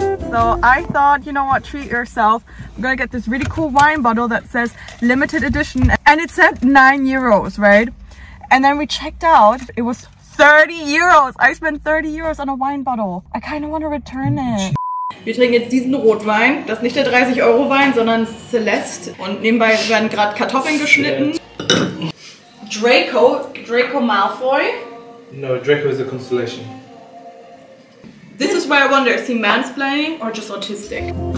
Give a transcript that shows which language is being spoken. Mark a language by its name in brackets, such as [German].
[English] So, I thought, you know what, treat yourself. I'm gonna get this really cool wine bottle that says limited edition and it said 9 euros, right? And then we checked out, it was 30 euros. I spent 30 euros on a wine bottle. I kind of want to return it. [German] Wir trinken jetzt diesen Rotwein. Das ist nicht der 30 Euro Wein, sondern Celeste. Und nebenbei werden gerade Kartoffeln geschnitten. [English] Draco Malfoy. No, Draco is a constellation. This is why I wonder, is he mansplaining or just autistic?